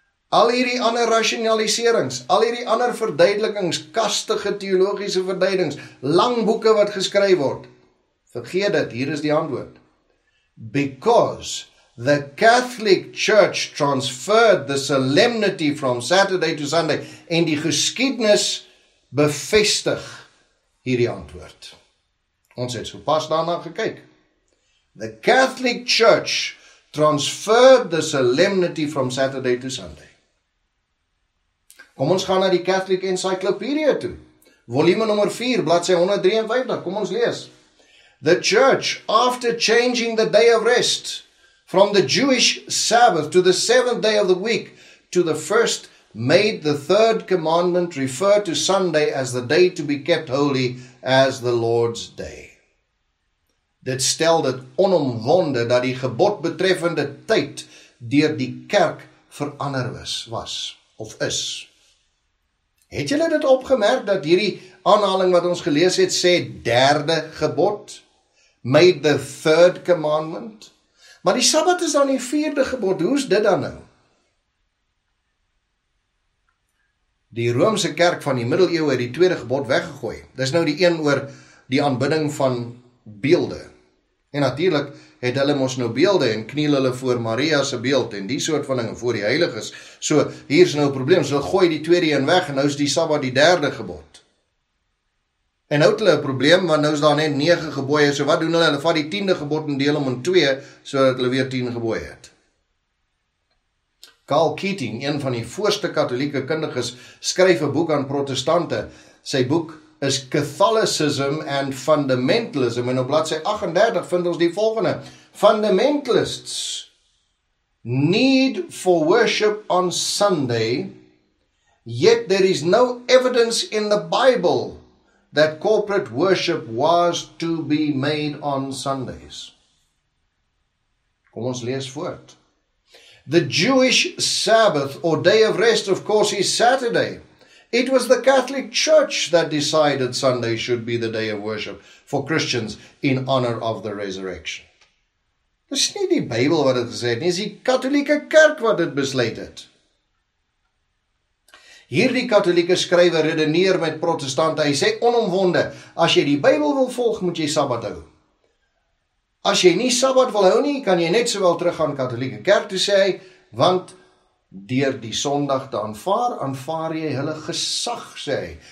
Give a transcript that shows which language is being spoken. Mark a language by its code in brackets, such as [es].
[af] Al hierdie ander rationaliserings, al hierdie ander verduidelikings, kastige teologiese verduidings, lang boeke wat geskryf word, vergeet dit, hier is die antwoord. [en] Because the Catholic Church transferred the solemnity from Saturday to Sunday, [af] en die geskiedenis bevestig hierdie antwoord. Ons het so pas daarna gekyk. [en] The Catholic Church transferred the solemnity from Saturday to Sunday. [af] Kom ons gaan na die Catholic Encyclopedia toe. Volume nummer 4, bladsy 153, kom ons lees. [en] The church, after changing the day of rest from the Jewish Sabbath to the seventh day of the week to the first, made the third commandment refer to Sunday as the day to be kept holy as the Lord's day. [af] Dit stel dit onomwonde dat die gebod betreffende tyd deur die kerk verander was of is. Het julle dit opgemerk dat hierdie aanhaling wat ons gelees het sê derde gebod, [en] made the third commandment? [af] Maar die Sabbat is dan die vierde gebod, hoe is dit dan nou? Die Romeinse kerk van die middeleeuwe het die tweede gebod weggegooi. Dis nou die een oor die aanbidding van beelde. En natuurlik het hulle mos nou beelde en kniel hulle voor Maria se beeld en die soort van dinge voor die heiliges. So hier is nou 'n probleem. So gooi die tweede een weg en nou is die Sabbat die derde gebod. En nou het hulle 'n probleem want nou is daar net 9 gebooie. So wat doen hulle? Hulle vat die 10de gebod en deel hom in 2 sodat hulle weer 10 gebooie het. Karl Keating, een van die voorste katolieke kundiges, skryf 'n boek aan protestante. Sy boek is Catholicism and Fundamentalism en op bladsy 38 vind ons die volgende. [en] Fundamentalists need for worship on Sunday, yet there is no evidence in the Bible that corporate worship was to be made on Sundays. [af] Kom ons lees voort. [en] The Jewish Sabbath or day of rest, of course, is Saturday. It was the Catholic Church that decided Sunday should be the day of worship for Christians in honor of the resurrection. [af] Dis nie die Bybel wat dit gesê het nie, dis die Katolieke Kerk wat dit besluit het. Hierdie Katolieke skrywer redeneer met protestante, hy sê onomwonde, as jy die Bybel wil volg, moet jy Sabbat hou. As jy nie Sabbat wil hou nie, kan jy net sowel terug gaan Katolieke Kerk toe sê hy, want deur die Sondag te aanvaar, aanvaar jy hulle gesag, sê hy.